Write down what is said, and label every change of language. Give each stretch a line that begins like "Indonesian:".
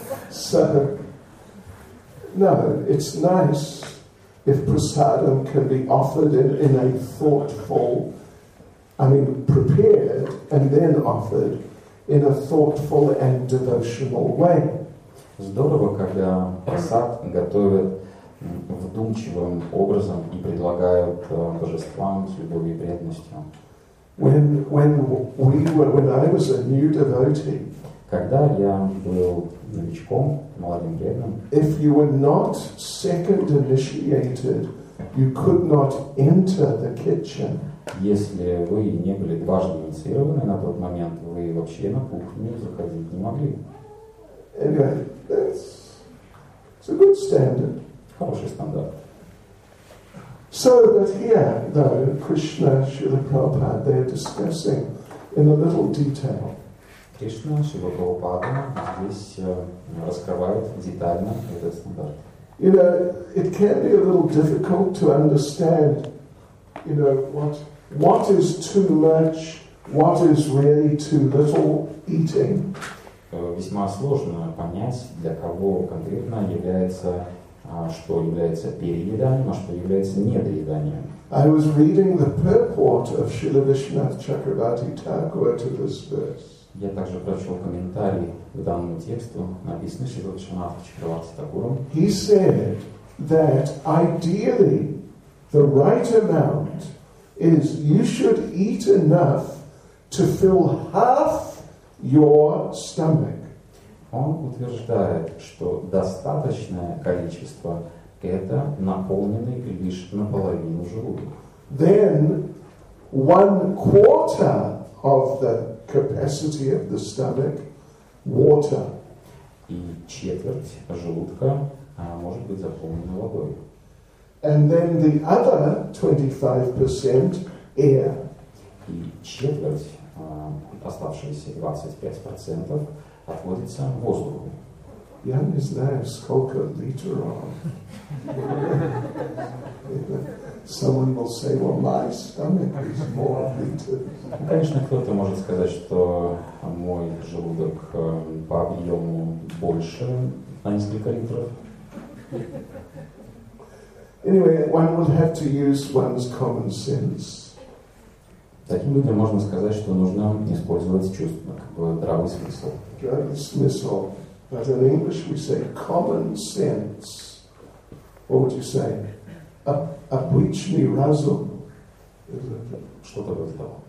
English: So, no, it's nice if prasadam can be offered in a thoughtful, I mean, prepared and then offered in a thoughtful and devotional way.
Russian: Здорово, когда просад готовят вдумчивым образом и предлагают божествам с любовью и преданностью.
English: When I was a new devotee,
Russian: когда я был новичком, молодым преданным,
English: if you were not second initiated, you could not enter the kitchen.
Russian: Если вы не были дважды инициированы на тот момент, вы вообще на кухню заходить не могли.
English: Anyway, that's a good standard.
Russian: Хороший стандарт.
English: So, but here, though, Krishna, Srila Prabhupada, they are discussing in a little detail.
Russian: Krishna, Srila Prabhupada, здесь раскрывает детально этот стандарт.
English: You know, it can be a little difficult to understand, you know, what is too much, what is really too little eating.
Russian: Весьма сложно понять, для кого конкретно является что является перееданием, а что является недоеданием.
English: I was reading the purport of Srila Vishnath Chakravarti Thakura to this verse.
Russian: Я также прочел комментарий к данному тексту, написанный Шрила Вишванатха Чакраварти Тхакура.
English: He said that ideally the right amount is you should eat enough to fill half your stomach.
Russian: Он утверждает, что достаточное количество – это наполненный лишь наполовину желудок.
English: Then one quarter of the capacity of the stomach – water.
Russian: И четверть желудка может быть заполнена водой.
English: And then the other 25% – air.
Russian: И четверть, оставшиеся 25%, отводится воздуху. я не знаю, сколько литров.
English: Someone will say, well, my stomach is more liters.
Russian: Конечно, кто-то может сказать, что мой желудок по объему больше, а не сколько литров.
English: Anyway, one would have to use one's common sense.
Russian: Таким людям можно сказать, что нужно использовать чувства, как бы здравый смысл. Здравый смысл.
English: But in English we say common sense. What would you say?
Russian: Обычный разум. Что-то в этом.